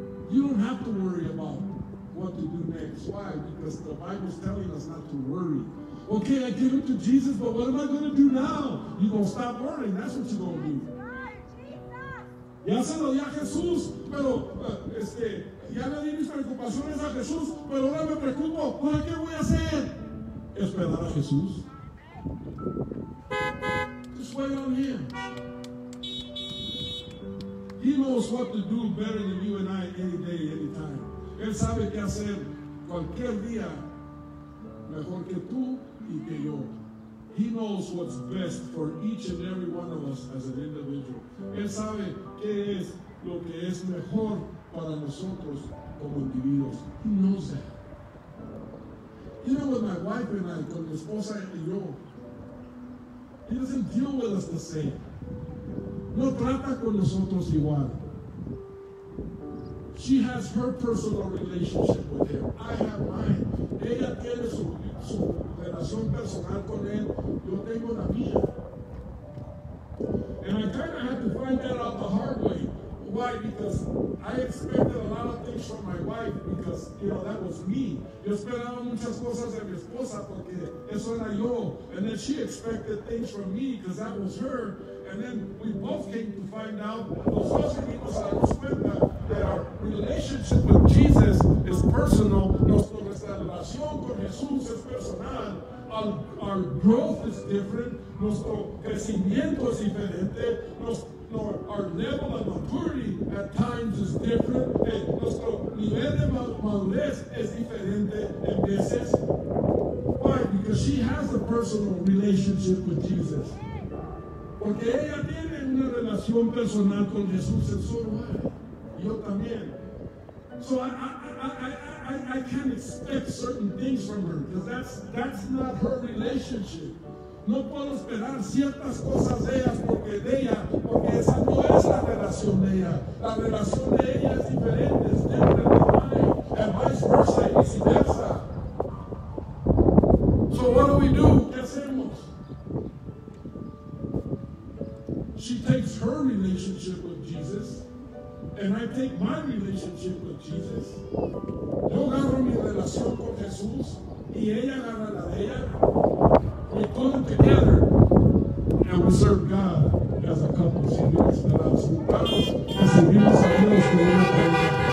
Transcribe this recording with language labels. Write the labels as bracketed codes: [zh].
[en] You don't have to worry about what to do next. Why? Because the Bible is telling us not to worry. Okay, I give it to Jesus, but what am I going to do now? You're going to stop worrying. That's what you're going to do. [es] Ya se lo di a Jesús, pero ya le di mis preocupaciones a Jesús, pero ahora me preocupo. ¿Para qué voy a hacer? Esperar a Jesús. [en] Just wait on Him. He knows what to do better than you and I any day, any time. [es] Él sabe qué hacer cualquier día mejor que tú y que yo. [en] He knows what's best for each and every one of us as an individual. [es] Él sabe qué es lo que es mejor para nosotros como individuos. [en] He knows that. You know, with my wife and I, [es] con mi esposa y yo, [en] he doesn't deal with us the same. [es] No trata con nosotros igual. [en] She has her personal relationship with him. I have mine. [es] Ella tiene su relación personal con él. Yo tengo la mía. [en] And I kind of had to find that out the hard way. Why? Because I expected a lot of things from my wife because, you know, that was me. [es] Yo esperaba muchas cosas de mi esposa porque eso era yo. [en] And then she expected things from me because that was her. And then we both came to find out, [es] los dos venimos a la cuenta [en] that our relationship with Jesus is personal. [es] Nuestra relación con Jesús es personal. [en] Our growth is different. [es] Nuestro crecimiento es diferente. [en] Our level of maturity at times is different. [es] Nuestro nivel de madurez es diferente en veces. [en] Why? Because she has a personal relationship with Jesus. [es] Porque ella tiene una relación personal con Jesús en su lugar. Yo también. [en] So I can't expect certain things from her because that's not her relationship. [es] No puedo esperar ciertas cosas de ellas porque de ella, porque esa no es la relación de ella. La relación de ella es diferente, es diferente de mi [en] and vice versa [es] y viceversa. [en] So what do? [es] ¿Qué hacemos? [en] She takes her relationship with Jesus and I take my relationship with Jesus. [es] Yo agarro mi relación con Jesús y ella agarra la de ella. [en] We put them together and we serve God as a couple. [es] Si bien esperamos un caso, recibimos a Dios con una pareja.